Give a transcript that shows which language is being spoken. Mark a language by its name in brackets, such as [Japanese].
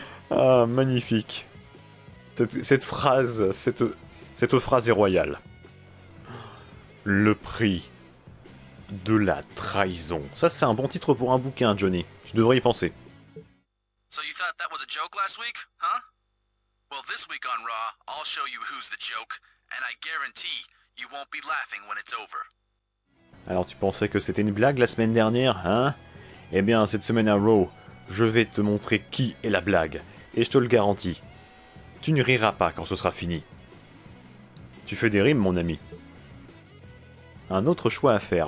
[French] Ah, magnifique. Cette phrase est royale. Le prix de la trahison. Ça, c'est un bon titre pour un bouquin, Johnny. Tu devrais y penser. [English] So you thought that was a joke last week, huh? Well, this week on Raw, I'll show you who's the joke, and I guarantee you won't be laughing when it's over. [French] Alors, tu pensais que c'était une blague la semaine dernière, hein? Eh bien, cette semaine à Raw, je vais te montrer qui est la blague. Et je te le garantis, tu ne riras pas quand ce sera fini. Tu fais des rimes, mon ami. Un autre choix à faire.